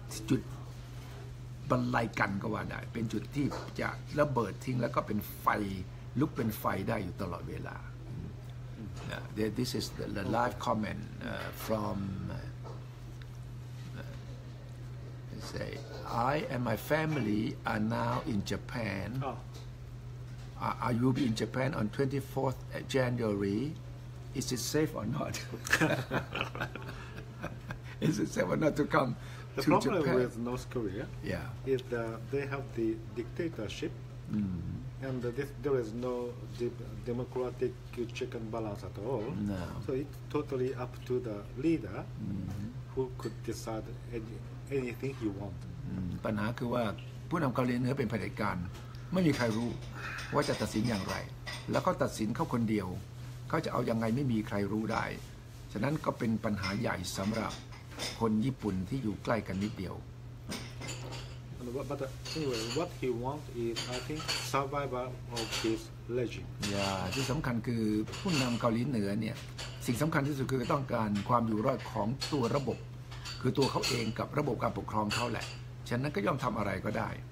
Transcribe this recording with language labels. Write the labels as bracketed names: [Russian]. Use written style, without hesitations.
[Thai] จุดบรรลัยกันก็ว่าได้เป็นจุดที่จะระเบิดทิ้งแล้วก็เป็นไฟลุกเป็นไฟได้อยู่ตลอดเวลา [English] yeah, this is the live comment from say I and my family are now in Japan I will be in Japan on 24th January is it safe or not is it safe or not to come the to problem Japan? With North Korea is that they have the dictatorship and this, there is no democratic check and balance at all. No. So it's totally up to the leader who could decide anything he wants. [Thai] ปัญหาคือว่าผู้นำเกาหลีเหนือเป็นเผด็จการไม่มีใครรู้ว่าจะตัดสินอย่างไรแล้วเขาตัดสินเขาคนเดียวเขาจะเอายังไงไม่มีใครรู้ได้ฉะนั้นก็เป็นปัญหาใหญ่สำหรับคนญี่ปุ่นที่อยู่ใกล้กันนิดเดียว [English] But anyway, what he wants is, I think, survival of his regime. [Thai] Yeah, ที่สำคัญคือผู้นำเกาหลีเหนือเนี่ยสิ่งสำคัญที่สุดคือต้องการความอยู่รอดของตัวระบบคือตัวเขาเองกับระบบการปกครองเขาแหละฉะนั้นก็ยอมทำอะไรก็ได้